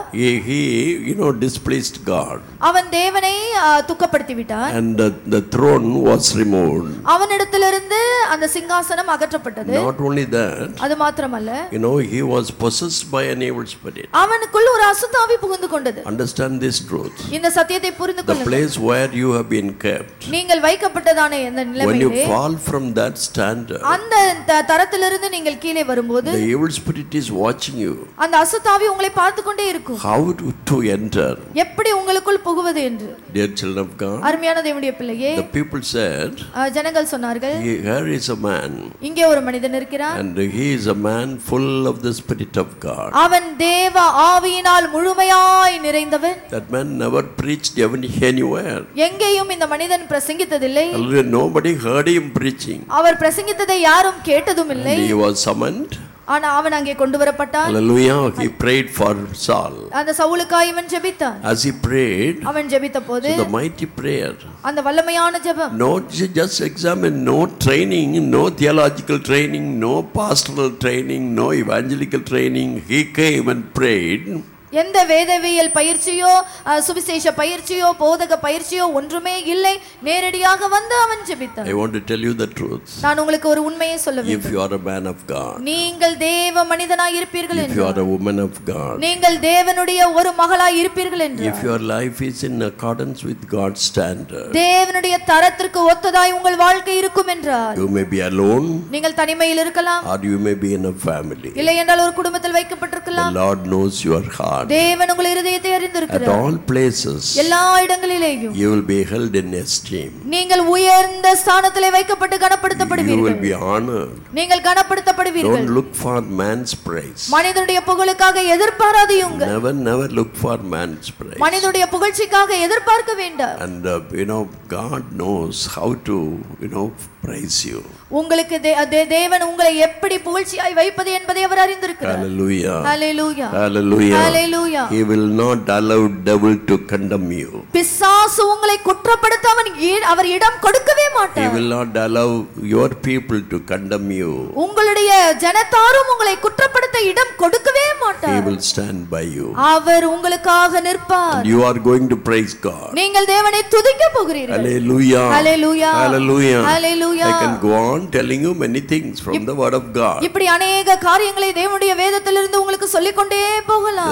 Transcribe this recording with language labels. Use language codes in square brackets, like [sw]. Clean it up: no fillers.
[en] He you know displeased God. [ta] அவன் தேவனை துக்கப்படுத்தி விட்டான். [en] And the throne was removed. [ta] அவனிடத்திலிருந்து அந்த சிங்காசனம் அகற்றப்பட்டது. [en] Not only that. [ta] அது மட்டுமல்ல. [en] You know he was possessed by an evil spirit. [ta] அவனுக்குள் ஒரு அசுத்தாவி புகுந்து கொண்டது. [en] Understand this truth. [ta] இந்த சத்தியத்தை புரிந்து கொள்ள. [en] The place where you have been kept. [ta] நீங்கள் வைக்கப்பட்டதான இந்த நிலையிலே. [en] When you fall from that standard. [ta] அந்த தரத்திலிருந்து நீங்கள் கீழே வரும்போது. [en] The evil spirit is watching you. [ta] அந்த அசுத்தாவி உங்களை பார்த்து கொண்டே இருக்கும். [en] How to enter? [ta] எப்படி உங்களுக்குள் புகுவது என்று? [en] Dear children of God. [ta] அருமையான தேவனுடைய பிள்ளையே. [en] The people said. [ta] ஜனங்கள் சொன்னார்கள். [en] Here is a man. [ta] இங்கே ஒரு மனிதன் இருக்கிறார். [en] And he is a man full of the spirit of God. [ta] அவன் தேவ ஆவியினால் முழுமையாய் நிறைந்தவன். [en] That man never preached even anywhere. [ta] எங்கேயும் இந்த மனிதன் பிரசங்கித்ததில்லை. [en] Hardly nobody heard him preaching. [ta] அவர் பிரசங்கித்ததை யாரும் கேட்டதும் இல்லை. [en] He was summoned. [ta] ஆனா அவன் அங்கே கொண்டு வரப்பட்டான். [en] Hallelujah. He prayed for Saul. [ta] அந்த சவுலுக்காய் இவன் ஜெபித்தான். [en] As he prayed. [ta] அவன் ஜெபித்தபோது. [en] The mighty prayer. [ta] அந்த வல்லமையான ஜெபம். [en] No just examine, no training, no theological training, no pastoral training, no evangelical training. He came and prayed. [ta] எந்த வேதவியல் பயிற்சியோ சுவிசேஷ பயிற்சியோ போதக பயிற்சியோ ஒன்றுமே இல்லை. நேரடியாக வந்து அவன் ஜெபித்தான். [en] I want to tell you the truth. [ta] நான் உங்களுக்கு ஒரு உண்மையை சொல்ல வேண்டும். [en] If you are a man of God. [ta] நீங்கள் தேவ மனிதனாய் இருப்பீர்கள் என்று. [en] If you are a woman of God. [ta] நீங்கள் தேவனுடைய ஒரு மகளாய் இருப்பீர்கள் என்று. [en] If your life is in accordance with God's standard. [ta] தேவனுடைய தரத்திற்கு ஒத்ததாய் உங்கள் வாழ்க்கை இருக்கும் என்றால். [en] You may be alone. [ta] நீங்கள் தனிமையில் இருக்கலாம். [en] Or you may be in a family. [ta] இல்லை என்றால் ஒரு குடும்பத்தில் வைக்கப்பட்டிருக்கலாம். [en] The Lord knows your heart. [ta] தேவன் உங்கள் இருதயத்தை அறிந்திருக்கிறார். [en] At all places. [ta] எல்லா இடங்களிலேயும். [en] You will be held in esteem. [ta] நீங்கள் உயர்ந்த ஸ்தானத்திலே வைக்கப்பட்டு கனப்படுத்தப்படுவீர்கள். [en] You will be honored. [ta] நீங்கள் கனப்படுத்தப்படுவீர்கள். [en] Don't look for man's praise. [ta] மனிதனுடைய புகழுக்காக எதிர்பாராதீங்க. [en] Never look for man's praise. [ta] மனிதனுடைய புகழ்ச்சிக்காக எதிர்பார்க்க வேண்டாம். [en] And you know God knows how to you know praise you. [ta] உங்களுக்கு தேவன் உங்களை எப்படி புகழ்ச்சியாய் வைப்பது என்பதை அவர் அறிந்திருக்கிறார். [en] Hallelujah. Hallelujah. Hallelujah. Hallelujah. He will not allow devil to condemn you. [ta] பிசாசு உங்களை குற்றப்படுத்த அவர் இடம் கொடுக்கவே மாட்டார். [en] He will not allow your people to condemn you. [ta] உங்களுடைய ஜனத்தாரும் உங்களை குற்றப்படுத்த இடம் கொடுக்கவே மாட்டார். [en] He will stand by you. [ta] அவர் உங்களுக்காக நிற்பார். [en] And you are going to praise God. [ta] நீங்கள் தேவனை துதிக்க போகிறீர்கள். [en] Hallelujah. Hallelujah. Hallelujah. Hallelujah. I can go on. I'm telling you many things from the word of God. [ta] இப்படி [hi] अनेक [ta] காரியங்களை தேவனுடைய வேதத்திலிருந்து உங்களுக்கு சொல்லிக் கொண்டே போகலாம்.